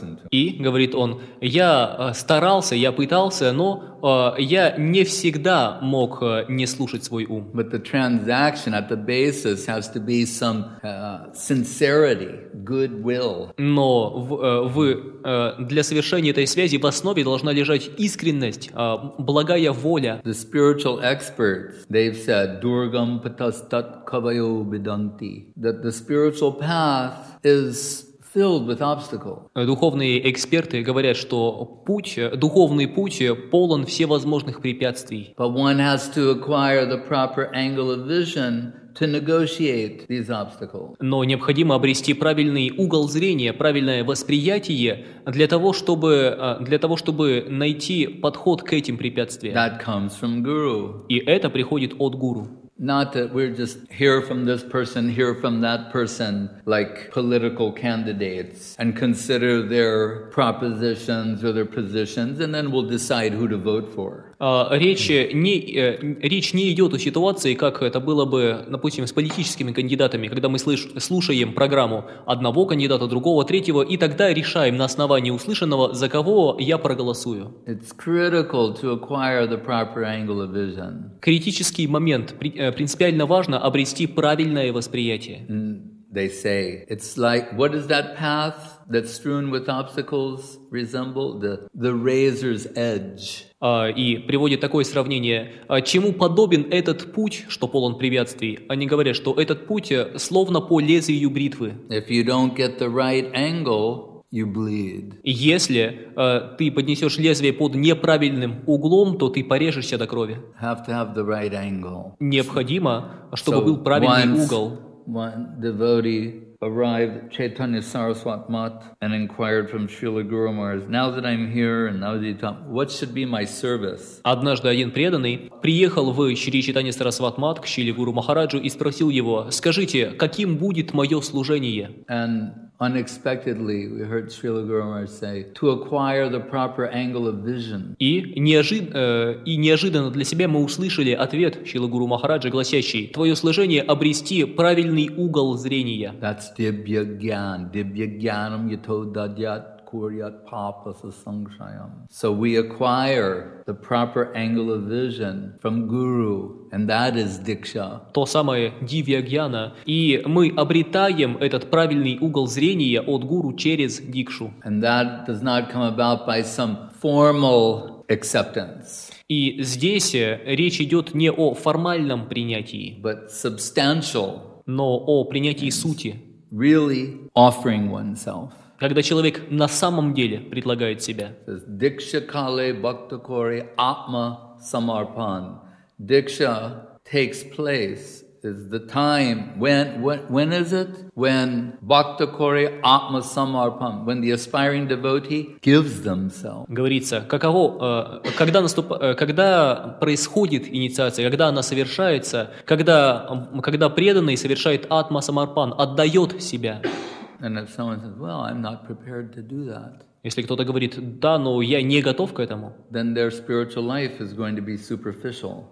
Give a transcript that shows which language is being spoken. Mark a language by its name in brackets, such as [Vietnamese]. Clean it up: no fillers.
[Russian] И, говорит он, я старался, я пытался, но я не всегда мог не слушать свой ум. [English] But the transaction at the basis has to be some sincerity, goodwill. [Russian] Но для совершения этой связи в основе должна лежать искренность, благая воля. [English] The spiritual experts, they've said, [Sanskrit] Durgam patastat kavayo bidanti, [English] that the spiritual path is filled with obstacles. [Russian] Духовные эксперты говорят, что духовный путь полон всевозможных препятствий. [English] But one has to acquire the proper angle of vision to negotiate these obstacles. [Russian] Но необходимо обрести правильный угол зрения, правильное восприятие для того, чтобы найти подход к этим препятствиям. [English] That comes from guru. [Russian] И это приходит от гуру. [English] Not that we're just hear from this person, hear from that person, like political candidates, and consider their propositions or their positions, and then we'll decide who to vote for. [Russian] Речь не идет о ситуации, как это было бы, допустим, с политическими кандидатами, когда мы слушаем программу одного кандидата, другого, третьего, и тогда решаем на основании услышанного, за кого я проголосую. [English] It's critical to acquire the proper angle of vision. [Russian] Критический момент. Принципиально важно обрести правильное восприятие. [English] They say, it's like, what is that path that's strewn with obstacles resemble? The razor's edge. [Russian] И приводит такое сравнение. Чему подобен этот путь, что полон препятствий? Они говорят, что этот путь словно по лезвию бритвы. [English] If you don't get the right angle, you bleed. [Russian] Если ты поднесешь лезвие под неправильным углом, то ты порежешься до крови. [English] Have to have the right angle. [Russian] Необходимо, чтобы был правильный угол. [English] One devotee arrived at Chaitanya Saraswat Mat and inquired from Srila Guru Maharaj, now that I'm here and now that you what should be my service? [Russian] Однажды один преданный приехал в Шри Чайтанья Сарасват Мат к Шриле Гуру Махараджу и спросил его, скажите, каким будет мое служение? [English] And unexpectedly, we heard Srila Guru Maharaj say, to acquire the proper angle of vision. [Russian] И неожиданно для себя мы услышали ответ Шрилы Гуру Махараджа, гласящий, твое служение – обрести правильный угол зрения. [English] That's Dibya Gyan. [Sanskrit] Dibya Gyanam Yato Dadyat Kuryat Papasa Sangshayam. [English] So we acquire the proper angle of vision from Guru, and that is Diksha. [Russian] То самое Дивья Гьяна. И мы обретаем этот правильный угол зрения от Гуру через Дикшу. [English] And that does not come about by some formal acceptance. [Russian] И здесь речь идет не о формальном принятии, [English] but substantial, [Russian] но о принятии сути. [English] Really offering oneself. [Russian] Когда человек на самом деле предлагает себя. [Bangla] Дикша кале бхакта коре атма самарпан. [English] Дикша takes place is the time when is it? When [Bangla] бхакта коре атма самарпан. [English] When the aspiring devotee gives themselves. [Russian] Говорится, каково, когда происходит инициация, когда она совершается, когда преданный совершает атма самарпан, отдает себя. [English] And if someone says, well, I'm not prepared to do that. [Russian] Если кто-то говорит, да, но я не готов к этому. [English] Then their spiritual life is going to be superficial.